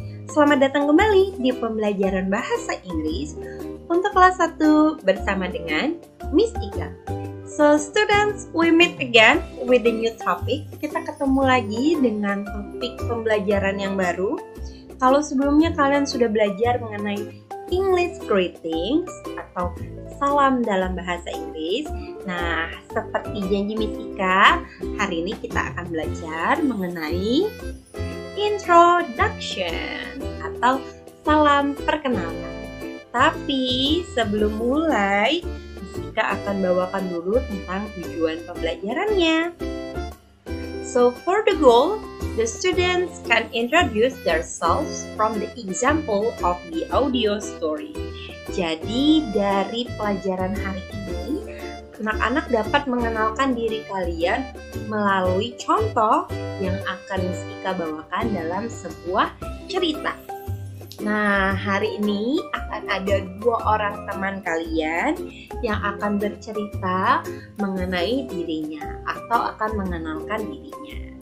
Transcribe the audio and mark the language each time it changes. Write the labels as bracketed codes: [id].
[id] Selamat datang kembali di pembelajaran bahasa Inggris untuk kelas 1 bersama dengan Miss Ika. [en] So students, we meet again with a new topic. [id] Kita ketemu lagi dengan topik pembelajaran yang baru. Kalau sebelumnya kalian sudah belajar mengenai English greetings atau salam dalam bahasa Inggris. Nah, seperti janji Miss Ika, hari ini kita akan belajar mengenai introduction atau salam perkenalan. Tapi sebelum mulai, Miss Ika akan bawakan dulu tentang tujuan pembelajarannya. [en] So for the goal, the students can introduce themselves from the example of the audio story. [id] Jadi dari pelajaran hari ini, anak-anak dapat mengenalkan diri kalian melalui contoh yang akan Miss Ika bawakan dalam sebuah cerita. Nah, hari ini akan ada dua orang teman kalian yang akan bercerita mengenai dirinya atau akan mengenalkan dirinya.